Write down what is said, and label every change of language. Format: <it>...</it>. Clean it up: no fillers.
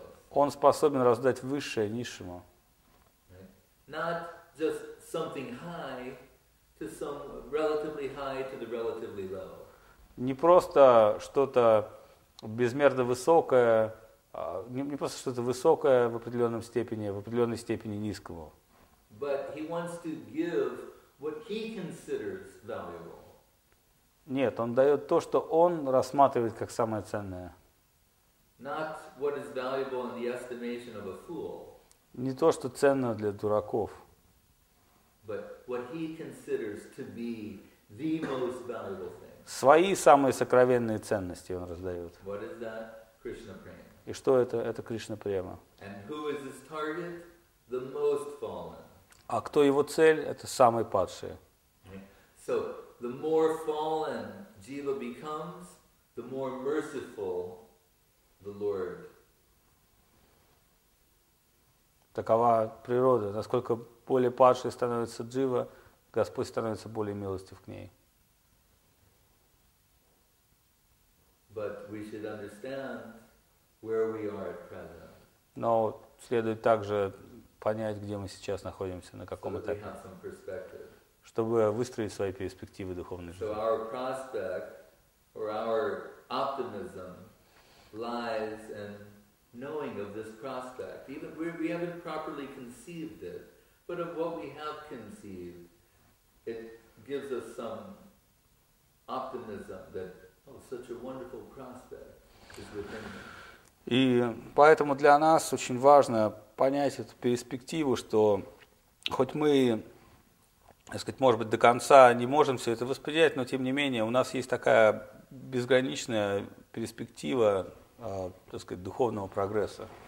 <ru>Он способен раздать высшее низшему. Не просто что-то безмерно высокое, не просто что-то высокое в определенном степени, в определенной степени низкому.</ru> <en>But he wants to give what he considers valuable.</en> <ru>Нет, он дает то, что он рассматривает как самое ценное.</ru> <en>Not what is valuable in the estimation of a fool.</en> <ru>Не то, что ценно для дураков.</ru> <en>But what he considers to be the most valuable thing.</en> <ru>Свои самые сокровенные ценности он раздает.</ru> <en>What is that? Krishna prema.</en> <ru>И что это? Это Кришна према.</ru> <en>And who is his target? The most fallen.</en> <ru>А кто его цель? Это самый падший.</ru> <en>So, the more fallen jiva becomes, the more merciful the Lord.</en> <ru>Такова природа. Насколько более падшей становится джива, Господь становится более милостив к ней.</ru> <en>But we should understand where we are at present.</en> <ru>Но следует также понять, где мы сейчас находимся, на каком этапе, чтобы выстроить свои перспективы духовной жизни.</ru> <en>So our prospect or our optimism lies in knowing of this prospect. Even we haven't properly conceived it, but of what we have conceived, it gives us some optimism that oh, such a wonderful prospect is within us.</en> <ru>И поэтому для нас очень важно понять эту перспективу, что хоть мы, так сказать, может быть, до конца не можем все это восприять, но тем не менее у нас есть такая безграничная перспектива, так сказать, духовного прогресса.</ru>